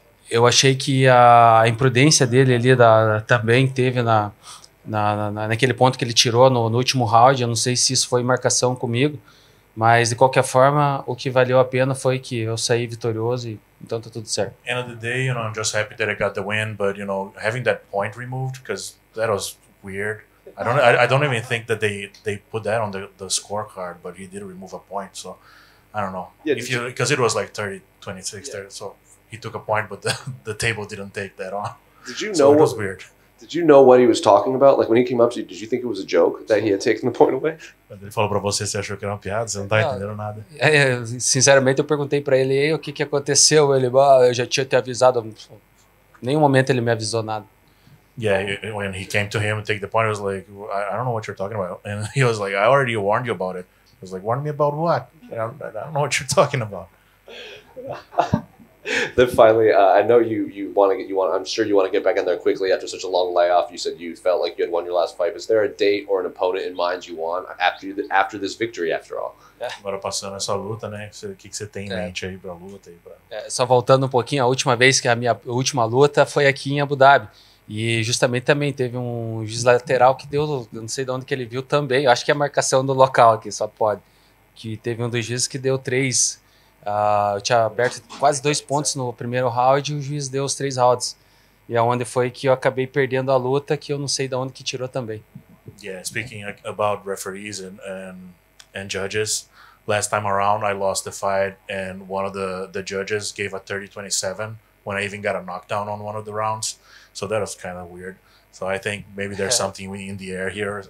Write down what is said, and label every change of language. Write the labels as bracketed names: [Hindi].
[Portuguese] Eu achei que a imprudência dele ali também teve naquele ponto que ele tirou no último round. Eu não sei se isso foi marcação comigo, mas, de qualquer forma, o que valeu a pena foi que eu saí vitorioso e então tá tudo certo. [English] End of the day, you know, I'm just happy that I got the win, but, you know, having that point removed, because that was weird. I don't even think that they put that on the scorecard, but he did remove a point, so I don't know. Yeah, because it was like 30-26, yeah. 30, so he took a point, but the table didn't take that on. Did you know what he was talking about? Like, when he came up to you, did you think it was a joke that he had taken the point away? [Portuguese] Quando ele falou pra você, você achou que era uma piada? Você não tá entendendo nada. Sinceramente, eu perguntei pra ele aí o que que aconteceu. Ele, eu já tinha te avisado. Nenhum momento ele me avisou nada. [English] Yeah, when he came to him and take the point, I was like, I don't know what you're talking about. And he was like, I already warned you about it. I was like, warned me about what? I don't know what you're talking about. Then finally, I know I'm sure you want to get back in there quickly after such a long layoff. You said you felt like you had won your last fight. Is there a date or an opponent in mind you want after this victory, after all? [Portuguese] Agora passando essa luta, né? O que você tem em mente aí pra luta? Só voltando um pouquinho, a última vez que a minha última luta foi aqui em Abu Dhabi. E justamente também teve um juiz lateral que deu, eu não sei de onde que ele viu também, eu acho que é a marcação do local aqui, só pode. Que teve um dos juízes que deu três, eu tinha aberto quase 2 pontos no primeiro round e o juiz deu os 3 rounds. E aonde foi que eu acabei perdendo a luta, que eu não sei de onde que tirou também. [English] Yeah, speaking about referees and judges, last time around I lost the fight and one of the judges gave a 30-27 when I even got a knockdown on one of the rounds. So that was kind of weird. So I think maybe there's something in the air here.